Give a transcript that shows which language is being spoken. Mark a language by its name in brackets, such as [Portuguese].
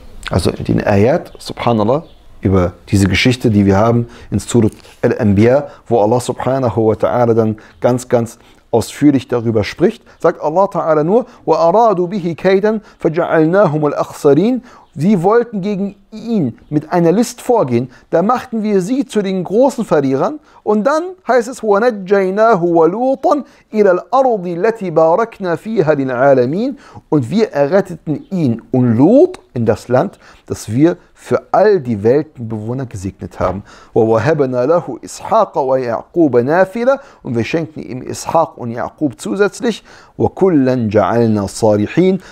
[German] Also in den Ayat, subhanallah, über diese Geschichte, die wir haben, in Surat Al-Anbiya, wo Allah subhanahu wa ta'ala dann ganz, ganz ausführlich darüber spricht, sagt Allah ta'ala nur, [Arabic] وَأَرَادُوا بِهِ كَيْدًا فَجَعَلْنَاهُمُ الْأَخْسَرِينَ [German] Sie wollten gegen ihn mit einer List vorgehen. Da machten wir sie zu den großen Verlierern. Und dann heißt es, [Arabic] وَنَجَّيْنَاهُ وَلُوطًا إِلَى الْأَرْضِ الَّتِي بَارَكْنَا فِيهَا لِلْعَالَمِينَ. [German] Und wir erretteten ihn und Lot in das Land, das wir für all die Weltenbewohner gesegnet haben. [Arabic] وَوَهَبْنَا لَهُ إِسْحَاقَ وَيَعْقُوبَ نَافِلَةً. [German] Und wir schenkten ihm Ishaq und Jakob zusätzlich. [Arabic] وَكُلًّا جَعَلْنَا صَالِحِينَ.